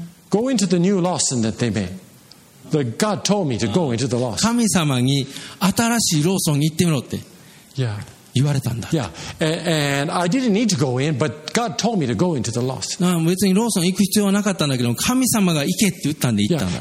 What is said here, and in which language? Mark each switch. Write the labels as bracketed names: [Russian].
[English] Go into the new Lawson that they made. The God told me to go into the Lawson. [Japanese] 神様に新しいローソンに行ってみろって言われたんだ。 [English] Yeah. And I didn't need to go in, but God told me to go into the Lawson. [Japanese] 別にローソン行く必要はなかったんだけど、神様が行けって言ったんで行ったんだ。